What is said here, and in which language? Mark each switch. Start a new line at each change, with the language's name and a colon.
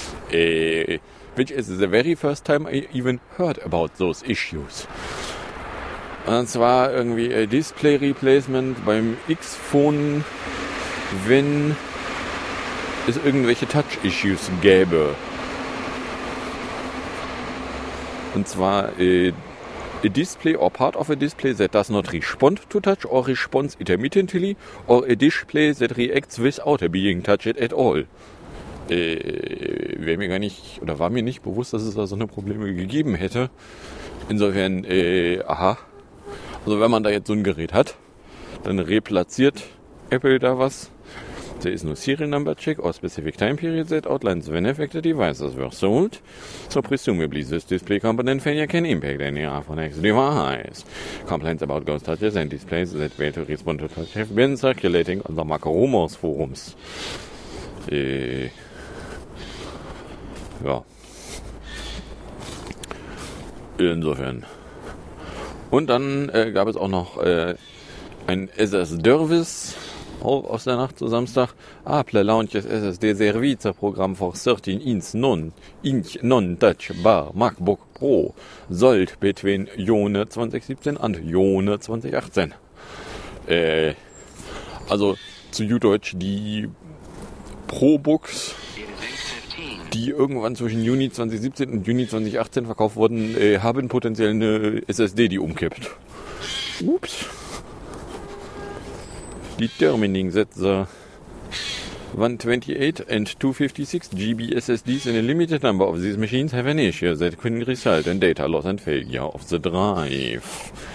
English: Which is the very first time I even heard about those issues.
German: Und zwar irgendwie Display-Replacement beim X-Phone, wenn es irgendwelche Touch-Issues gäbe.
English: Und zwar a display or part of a display that does not respond to touch or responds intermittently or a display that reacts without being touched at all.
German: Wäre mir gar nicht oder war mir nicht bewusst, dass es da so eine Probleme gegeben hätte. Insofern, Also wenn man da jetzt so ein Gerät hat, dann replatziert Apple da was.
English: There is no serial number check or specific time period that outlines when affected devices were sold. So presumably this display component failure can impact any iPhone X device. Complaints about ghost touches and displays that fail to respond to touch have been circulating on the Mac Rumors forums.
German: Ja. Insofern. Und dann gab es auch noch ein SS Dervis auch aus der Nacht zu Samstag.
English: Apple launches SSD Service Programm for 13-inch non-touch bar MacBook Pro sold between June 2017 und June 2018.
German: Also zu Jüdeutsch die ProBooks, die irgendwann zwischen Juni 2017 und Juni 2018 verkauft wurden, haben potenziell eine SSD, die umkippt. Ups.
English: Determining that the 128 and 256 GB SSDs in a limited number of these machines have an issue that could result in data loss and failure of the drive.